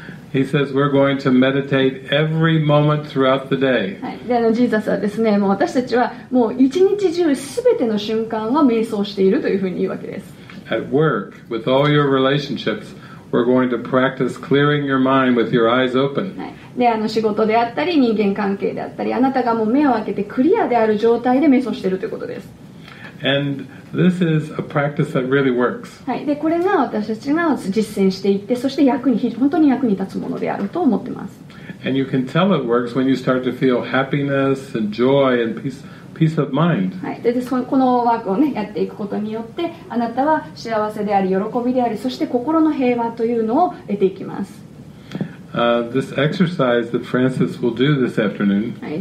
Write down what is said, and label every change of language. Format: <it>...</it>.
<en>He says we're going to meditate every moment throughout the day.</en> <ja>はい。で、ジーザスはですね、もう私たちはもう一日中すべての瞬間は瞑想しているというふうに言うわけです。</ja> <en>At work, with all your relationships, we're going to practice clearing your mind with your eyes open.</en> <ja>はい。で、仕事であったり人間関係であったり、あなたがもう目を開けてクリアである状態で瞑想しているということです。</ja> <en>And this is a practice that really works.</en> <ja>はい。で、これが私たちが実践していって、そして本当に役に立つものであると思ってます。</ja> <en>And you can tell it works when you start to feel happiness and joy and peace of mind.</en> <ja>はい。で、このワークをね、やっていくことによって、あなたは幸せであり、喜びであり、そして心の平和というのを得ていきます。</ja> <en>this exercise that Francis will do this afternoon.</en>